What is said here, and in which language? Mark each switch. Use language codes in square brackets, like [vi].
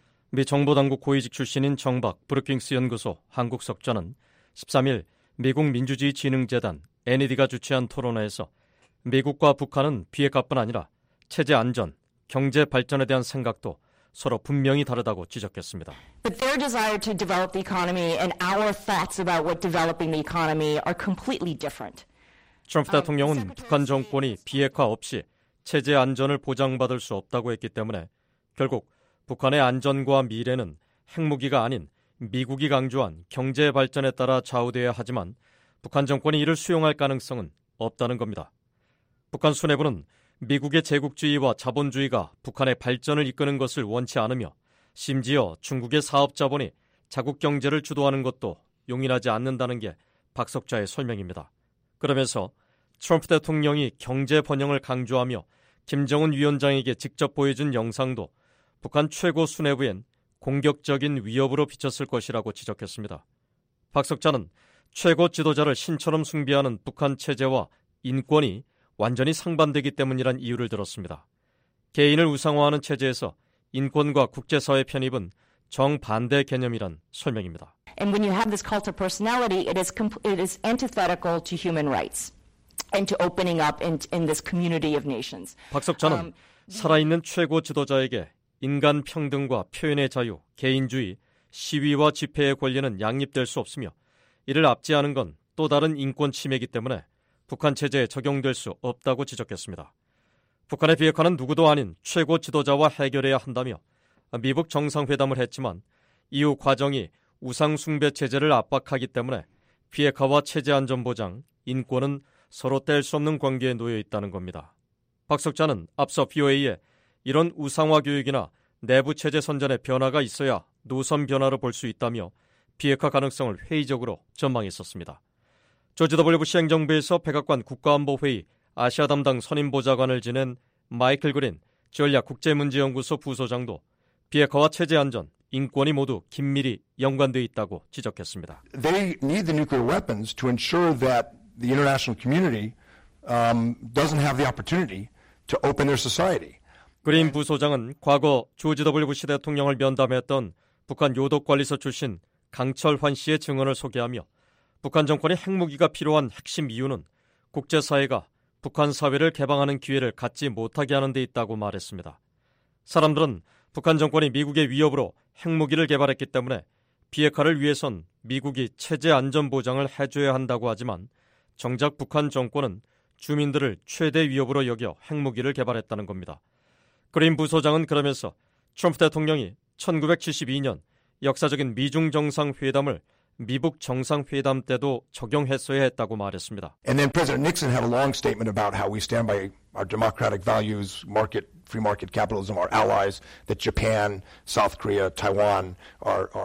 [ko] 미 정보당국 고위직 출신인 정박 브루킹스 연구소 한국 석좌는 13일 미국 민주주의 진흥재단 NED가 주최한 토론회에서 미국과 북한은 비핵화뿐 아니라 체제 안전, 경제 발전에 대한 생각도 서로 분명히 다르다고 지적했습니다. [en] But their desire to develop the economy and our thoughts about what developing the economy are completely different. [ko] 트럼프 대통령은 북한 정권이 비핵화 없이 체제 안전을 보장받을 수 없다고 했기 때문에 결국 북한의 안전과 미래는 핵무기가 아닌 미국이 강조한 경제 발전에 따라 좌우되어야 하지만 북한 정권이 이를 수용할 가능성은 없다는 겁니다. 북한 수뇌부는 미국의 제국주의와 자본주의가 북한의 발전을 이끄는 것을 원치 않으며 심지어 중국의 사업자본이 자국 경제를 주도하는 것도 용인하지 않는다는 게 박 석좌의 설명입니다. 그러면서 트럼프 대통령이 경제 번영을 강조하며 김정은 위원장에게 직접 보여준 영상도 북한 최고 수뇌부엔 공격적인 위협으로 비쳤을 것이라고 지적했습니다. 박 석좌는 최고 지도자를 신처럼 숭배하는 북한 체제와 인권이 완전히 상반되기 때문이란 이유를 들었습니다. 개인을 우상화하는 체제에서 인권과 국제사회 편입은 정반대 개념이란 설명입니다. [en] And when you have this cult of personality, it is antithetical to human rights and to opening up in this community of nations. [ko] 박석찬은 살아있는 최고 지도자에게 인간 평등과 표현의 자유, 개인주의, 시위와 집회의 권리는 양립될 수 없으며 이를 앞지하는 건 또 다른 인권 침해이기 때문에 북한 체제에 적용될 수 없다고 지적했습니다. 북한의 비핵화는 누구도 아닌 최고 지도자와 해결해야 한다며 미북 정상회담을 했지만 이후 과정이 우상 숭배 체제를 압박하기 때문에 비핵화와 체제 안전 보장, 인권은 서로 뗄 수 없는 관계에 놓여 있다는 겁니다. 박 석좌는 앞서 BOA에 이런 우상화 교육이나 내부 체제 선전의 변화가 있어야 노선 변화를 볼 수 있다며 비핵화 가능성을 회의적으로 전망했었습니다. 조지 W. 부시 행정부에서 백악관 국가안보회의 아시아 담당 선임보좌관을 지낸 마이클 그린 전략국제문제연구소 부소장도 비핵화와 체제 안전, 인권이 모두 긴밀히 연관되어 있다고 지적했습니다. [en] They need the nuclear weapons to ensure that the international community doesn't have the opportunity to open their society. [ko] 그린 부소장은 과거 조지 W. 부시 대통령을 면담했던 북한 요덕관리소 출신 강철환 씨의 증언을 소개하며 북한 정권의 핵무기가 필요한 핵심 이유는 국제사회가 북한 사회를 개방하는 기회를 갖지 못하게 하는 데 있다고 말했습니다. 사람들은 북한 정권이 미국의 위협으로 핵무기를 개발했기 때문에 비핵화를 위해선 미국이 체제 안전 보장을 해줘야 한다고 하지만 정작 북한 정권은 주민들을 최대 위협으로 여겨 핵무기를 개발했다는 겁니다. 그린 부소장은 그러면서 트럼프 대통령이 1972년 역사적인 미중 정상회담을 미북 정상회담 때도 적용했어야 했다고 말했습니다. [en] And then President Nixon had a long statement about how we stand by our democratic values, market, free market capitalism, our allies, that Japan, South Korea, Taiwan are